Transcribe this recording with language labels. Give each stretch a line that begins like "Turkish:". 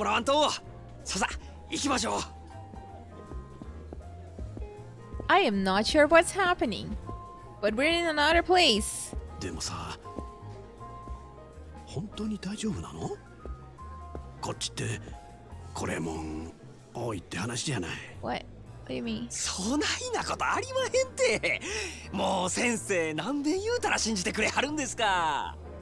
Japanese: 東京でもこんなに派手な店は見たことないよ。
English: Really?
Japanese: そりゃもうここが何はナンバーワンの店ですさかい。蒼天堀来てグランドへ寄らんやなんてタコなしのたこ焼きみたいなもんですわ。いや先生には遠路はるばるお越しいただいたんやから今日はたっぷり楽しんでもらわんと。ささ行きましょう。
English: I am not sure what's happening, but we're in another place.
Japanese: でもさ 本当に大丈夫なの? こっちってこれもん多いって話じゃない?
English: What? What do you mean?
Japanese: そないなことありまへんて!もう先生何遍言うたら信じてくれはるんですか?